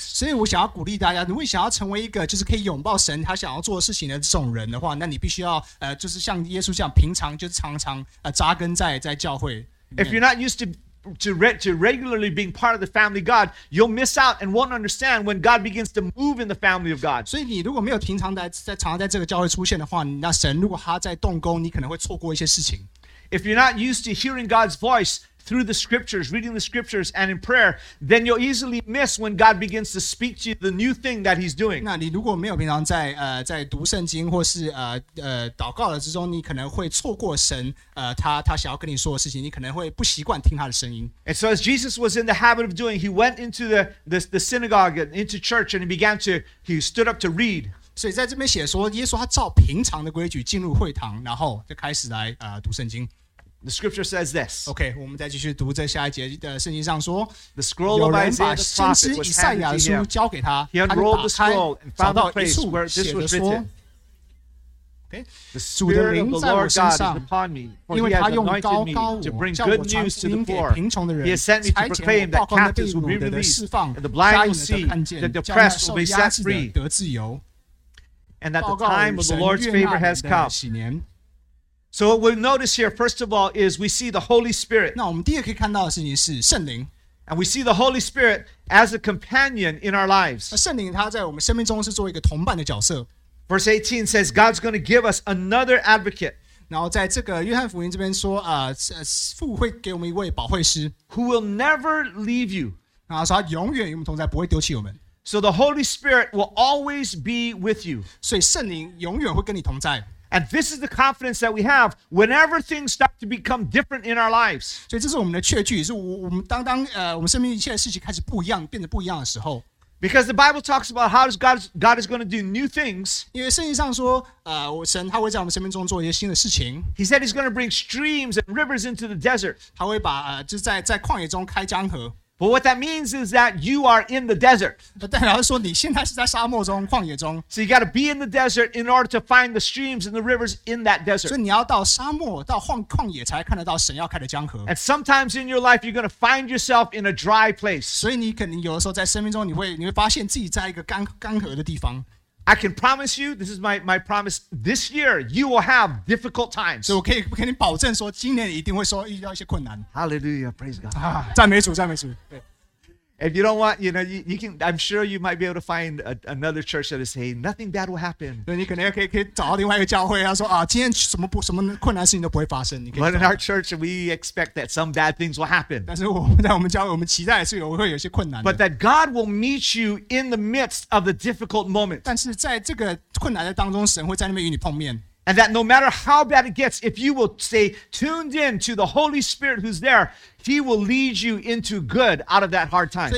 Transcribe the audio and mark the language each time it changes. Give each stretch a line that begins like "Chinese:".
Chinese: 所以我想要鼓励大家，如果你想要成为一个就是可以拥抱神他想要做事情的这种人的话，那你必须要就是像耶稣这样平常就常常扎根在教会。
English: If you're not used to regularly being part of the family of God, you'll miss out and won't understand when God begins to move in the family of God.
Chinese: 所以你如果没有平常在这个教会出现的话，那神如果他在动工，你可能会错过一些事情。
English: If you're not used to hearing God's voice through the scriptures, reading the scriptures and in prayer, then you'll easily miss when God begins to speak to you the new thing that he's doing.
Chinese: 那你如果没有平常在读圣经或是祷告的之中，你可能会错过神他想要跟你说的事情，你可能会不习惯听他的声音。
English: And so as Jesus was in the habit of doing, he went into the synagogue and into church and he stood up to read.
Chinese: 所以在这边写说，耶稣他照平常的规矩进入会堂，然后就开始来读圣经。
English: The scripture says this.
Chinese: Okay, 我们再继续读这下一节的圣经上说
English: The scroll of Isaiah the prophet was handed to him.
Chinese: 交给他
English: He unrolled the scroll and found the place where this was written. Okay, the Spirit of the Lord God is upon me, for he has anointed me to bring good news to the poor. He has sent me to proclaim that captives will be released, and the blind will see, the depressed will be set free, and that the time of the Lord's favor has come. So what we'll notice here, first of all, is we see the Holy Spirit.
Chinese: 那我们第二可以看到的事情是圣灵。
English: And we see the Holy Spirit as a companion in our lives.
Chinese: 圣灵他在我们生命中是做一个同伴的角色。
English: Verse 18 says, God's going to give us another advocate.
Chinese: 然后在这个约翰福音这边说，父会给我们一位保惠师。
English: Who will never leave you.
Chinese: 然后说他永远与我们同在，不会丢弃我们。
English: So the Holy Spirit will always be with you.
Chinese: 所以圣灵永远会跟你同在。
English: And this is the confidence that we have whenever things start to become different in our lives.
Chinese: 所以这是我们的确据，是我们生命一切的事情开始不一样，变得不一样的时候。
English: Because the Bible talks about how God is going to do new things.
Chinese: 因为圣经上说，神他会在我们生命中做一些新的事情。
English: He said he's going to bring streams and rivers into the desert.
Chinese: 他会把就是在旷野中开江河。
English: But what that means is that you are in the desert.
Chinese: 但然后说你现在是在沙漠中、旷野中。
English: So you got to be in the desert in order to find the streams and the rivers in that desert.
Chinese: 所以你要到沙漠、到旷野才看得到神要开的江河。
English: And sometimes in your life, you're going to find yourself in a dry place.
Chinese: 所以你可能有的时候在生命中，你会发现自己在一个干涸的地方。
English: I can promise you, this is my promise, this year you will have difficult times.
Chinese: 所以我可以跟你保证说今年一定会说遇到一些困难。
English: Hallelujah, praise God.
Chinese: 赞美主，赞美主。
English: If you don't want, you know, you can, I'm sure you might be able to find another church that is saying nothing bad will happen.
Chinese: 对，你可能可以找到另外一个教会，他说啊，今天什么困难事情都不会发生。
English: But in our church, we expect that some bad things will happen.
Chinese: 但是我们教会，我们期待是会有些困难的。
English: But that God will meet you in the midst of the difficult moment.
Chinese: 但是在这个困难的当中，神会在那边与你碰面。
English: And that no matter how bad it gets, if you will stay tuned in to the Holy Spirit who's there, He will lead you into good out of that hard time.